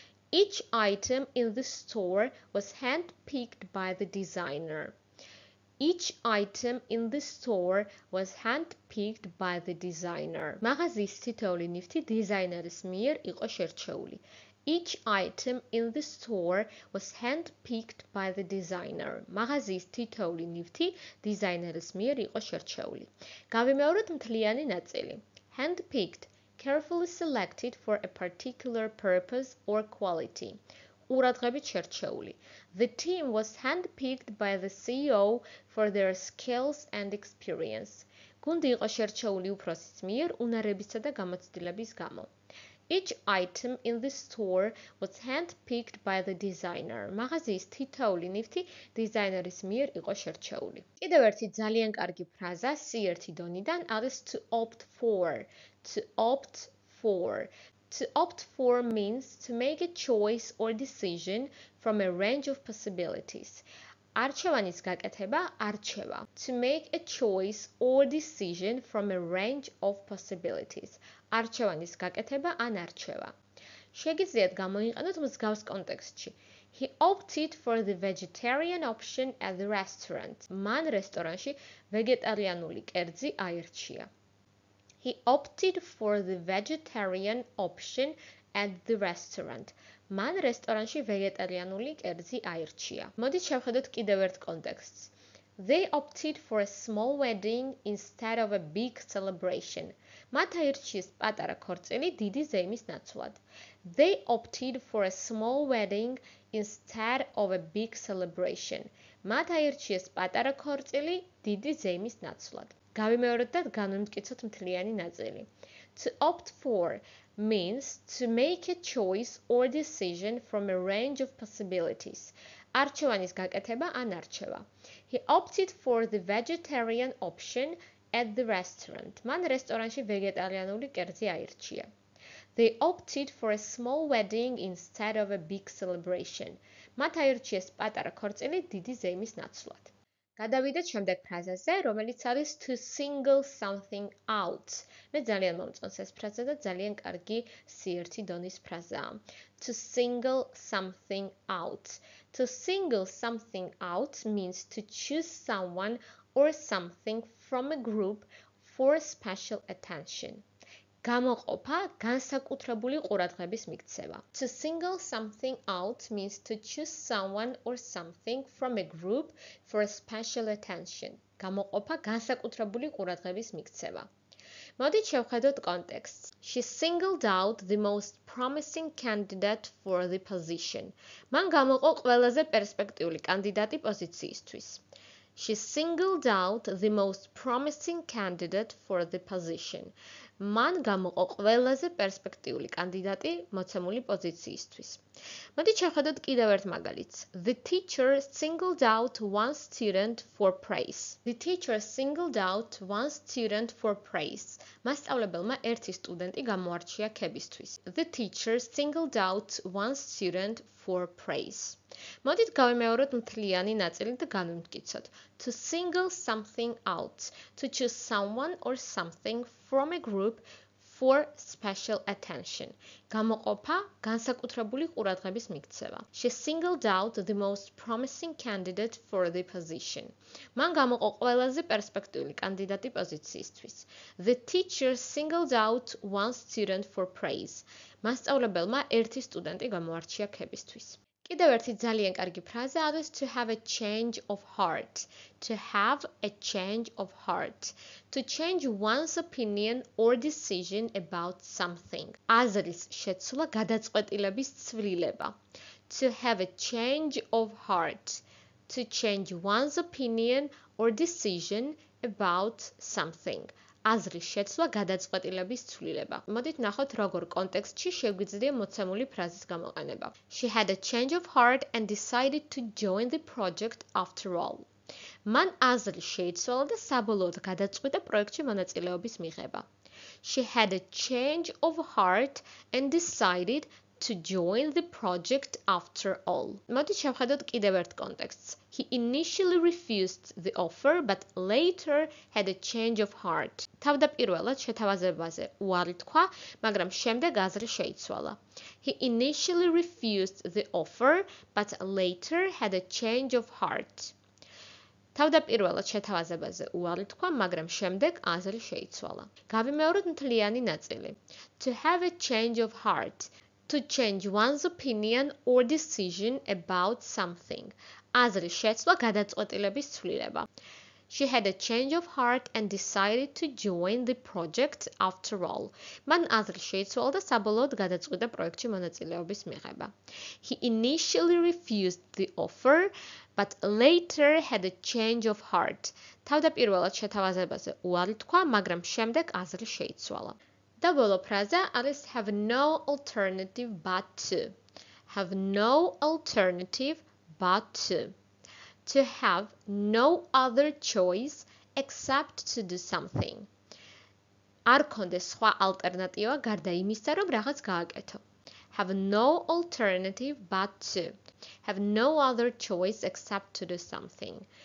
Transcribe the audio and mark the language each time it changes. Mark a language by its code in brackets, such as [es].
[en] Each item in the store was hand-picked by the designer. Each item in the store was hand-picked by the designer. [ka] მაღაზიის თითოეული ნივთი დიზაინერის მიერ იყო შერჩეული. [en] Each item in the store was hand-picked by the designer. [ka] მაღაზიის თითოეული ნივთი დიზაინერის მიერ იყო შერჩეული. გავიმეორებ მთლიანი ნაწილი. [en] Hand-picked. Carefully selected for a particular purpose or quality. [ka] ურადღებით შერჩეული. [en] The team was hand-picked by the CEO for their skills and experience. [ka] გუნდი იყო შერჩეული უფროსის მიერ უნარებისა და გამოცდილების გამო. [en] Each item in the store was hand-picked by the designer. [ka] მაღაზიის თითოეული ნივთი დიზაინერის მიერ იყო შერჩეული. კიდევ ერთი ძალიან კარგი ფრაზა C1 დონიდან არის [en] to opt for. To opt for. To opt for means to make a choice or decision from a range of possibilities. [ka] არჩევანის გაკეთება, არჩევა. [en] To make a choice or decision from a range of possibilities. [ka] არჩევანის გაკეთება ან არჩევა. შეგიძლიათ გამოიყენოთ მსგავს კონტექსტში. [en] He opted for the vegetarian option at the restaurant. [ka] მან რესტორანში ვეგეტარიანული კერძი აირჩია. [en] He opted for the vegetarian option at the restaurant. [ka] მან რესტორანში ვეგეტარიანული კერძი აირჩია. მოდით შევხედოთ კიდევ ერთ კონტექსტს. [en] They opted for a small wedding instead of a big celebration. [ka] მათ აირჩიეს პატარა ქორწილი დიდი ზეიმის ნაცვლად. [en] They opted for a small wedding instead of a big celebration. [ka] მათ აირჩიეს პატარა ქორწილი დიდი ზეიმის ნაცვლად. გავიმეორებ და განვიმტკიცოთ მთლიანი ნაწილი. [en] To opt for means to make a choice or decision from a range of possibilities. [ka] არჩევანის გაკეთება ან არჩევა. [en] He opted for the vegetarian option at the restaurant. [ka] მან რესტორანში ვეგეტარიანული კერძი აირჩია. [en] They opted for a small wedding instead of a big celebration. [ka] მათ აირჩიეს პატარა ქორწილი დიდი ზეიმის ნაცვლად. გადავიდეთ შემდეგ ფრაზაზე, რომელიც არის [en] to single something out. [ka] მე ძალიან მომწონს ეს ფრაზა და ძალიან კარგი C1 დონის ფრაზაა. [en] To single something out. To single something out means to choose someone or something from a group for special attention. [ka] გამოყოფა განსაკუთრებული ყურადღების მიქცევა. [en] To single something out means to choose someone or something from a group for a special attention. [ka] გამოყოფა განსაკუთრებული ყურადღების მიქცევა. მოდით შევხედოთ კონტექსტს. [en] She singled out the most promising candidate for the position. [ka] მან გამოყო ყველაზე პერსპექტიული კანდიდატი პოზიციისთვის. [en] She singled out the most promising candidate for the position. [ka] მან გამოყო ყველაზე პერსპექტიული კანდიდატი მოცემული პოზიციისთვის. მოდით შევხედოთ კიდევ ერთ მაგალითს. [en] The teacher singled out one student for praise. The teacher singled out one student for praise. [ka] მასწავლებელმა ერთი სტუდენტი გამოარჩია ქებისთვის. [en] The teacher singled out one student for praise. [ka] მოდით გავიმეოროთ მთლიანი ნაწილი და განვიმტკიცოთ. [en] To single something out. To choose someone or something from a group for special attention. [ka] გამოყოფა განსაკუთრებული ყურადღების მიქცევა. [en] She singled out the most promising candidate for the position. [ka] მან გამოყო ყველაზე პერსპექტიული კანდიდატი პოზიციისთვის. [en] The teacher singled out one student for praise. [ka] მასწავლებელმა ერთი სტუდენტი გამოარჩია ქებისთვის. კიდევ ერთი ძალიან კარგი ფრაზა არის [en] to have a change of heart. To have a change of heart. To change one's opinion or decision about something. [ka] აზრის შეცვლა, გადაწყვეტილების ცვლილება. [en] To have a change of heart. To change one's opinion or decision about something. [ka] აზრის შეცვლა, გადაწყვეტილების ცვლილება. მოდით ნახოთ, როგორ კონტექსტში შეგვიძლია მოცემული ფრაზის გამოყენება. [en] She had a change of heart and decided to join the project after all. [ka] მან აზრი შეიცვალა და საბოლოოდ გადაწყვიტა პროექტში მონაწილეობის მიღება. [en] She had a change of heart and decided to join the project after all. [ka] მოდით შევხედოთ კიდევ ერთ კონტექსტს. [en] He initially refused the offer but later had a change of heart. [ka] თავდაპირველად შეთავაზებაზე უარი თქვა, მაგრამ შემდეგ აზრი შეიცვალა. [en] He initially refused the offer but later had a change of heart. [ka] თავდაპირველად შეთავაზებაზე უარი თქვა, მაგრამ შემდეგ აზრი შეიცვალა. გავიმეორებ მთლიანი ნაწილი. [en] To have a change of heart. To change one's opinion or decision about something. [ka] აზრის შეცვლა, გადაწყვეტილების ცვლილება. [en] She had a change of heart and decided to join the project after all. [ka] მან აზრის შეცვლა და საბოლოოდ გადაწყვიტა პროექტში მონაწილეობის მიღება. [en] He initially refused the offer but later had a change of heart. [ka] თავდაპირველად შეთავაზებაზე უარი თქვა, მაგრამ შემდეგ აზრი შეცვლა. და ბოლო ფრაზა არის [en] have no alternative but to. Have no alternative but to. To have no other choice except to do something. [ka] არ ქონდეს სხვა ალტერნატივა გარდა იმისა, რომ რაღაც გააკეთო. [en] Have no alternative but to. Have no other choice except to do something.